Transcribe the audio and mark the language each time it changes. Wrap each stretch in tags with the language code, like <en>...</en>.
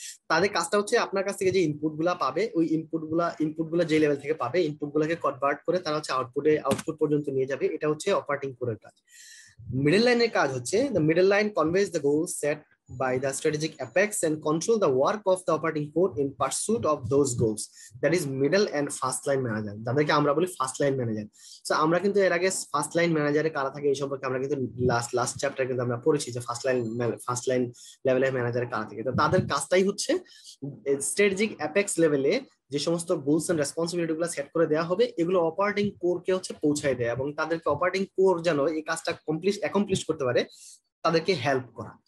<bn>তাদের কাজটা হচ্ছে আপনার কাছ থেকে যে ইনপুট গুলা পাবে, ওই ইনপুট গুলো যে লেভেল থেকে পাবে, ইনপুট গুলাকে কনভার্ট করে তারা হচ্ছে আউটপুট পর্যন্ত নিয়ে যাবে, এটা হচ্ছে অপারেটিং কোরের কাজ। মিডল লাইনের কাজ হচ্ছে</bn> <en>The middle line conveys the goal set by the strategic apex and control the work of the operating core in pursuit of those goals. That is middle and first line manager.</en> <bn>তাদেরকে আমরা বলি first line manager. So আমরা কিন্তু এর আগে first line manager এ কারা থাকে এই সম্পর্কে আমরা কিন্তু last chapter কিন্তু আমরা পড়েছি যে first line level এর manager কারা থাকে। তো তাদের কাজটাই হচ্ছে strategic apex level এ যে সমস্ত গোলস এন্ড রেসপন্সিবিলিটি গুলো সেট করে দেওয়া হবে এগুলো অপারেটিং কোর কে হচ্ছে পৌঁছায় দেয় এবং তাদেরকে অপারেটিং কোর যেন এই কাজটা অ্যাকমপ্লিশ করতে পারে তাদেরকে হেল্প করা।</bn>